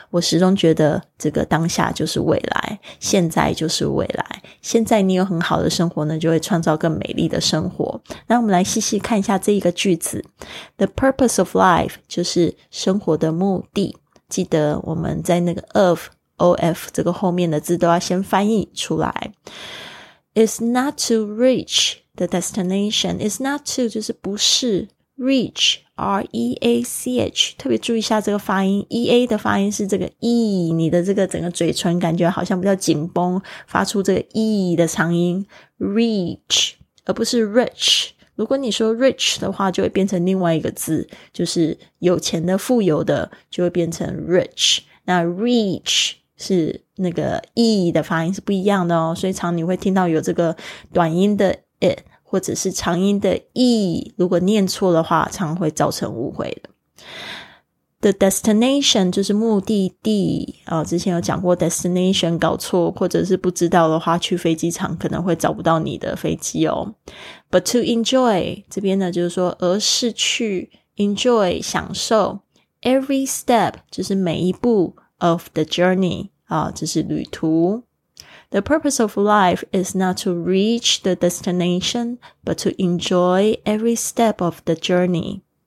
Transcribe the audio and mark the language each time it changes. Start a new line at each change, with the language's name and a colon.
Chinese: 我始终觉得这个当下就是未来，现在就是未来，现在你有很好的生活呢就会创造更美丽的生活。那我们来细细看一下这一个句子，
English: The purpose of life
Chinese: 就是生活的目的。记得我们在那个 ofOF 这个后面的字都要先翻译出来。
English: It's not to reach the destination. It's not to
Chinese: 就是不是， reach R-E-A-C-H， 特别注意一下这个发音， E-A 的发音是这个 E， 你的这个整个嘴唇感觉好像比较紧绷，发出这个 E 的长音， reach 而不是 rich。如果你说 rich 的话就会变成另外一个字，就是有钱的富有的就会变成 rich。那 reach 是那个 e 的发音是不一样的哦，所以常常你会听到有这个短音的 it 或者是长音的 e， 如果念错的话常会造成误会的。 The destination 就是目的地、之前有讲过 destination 搞错或者是不知道的话，去飞机场可能会找不到你的飞机哦。
English: But to enjoy
Chinese: 这边呢就是说而是去 enjoy 享受
English: every step
Chinese: 就是每一步
English: of the journey
Chinese: 就是旅途。
English: The purpose of life is not to reach the destination but to enjoy every step of the journey。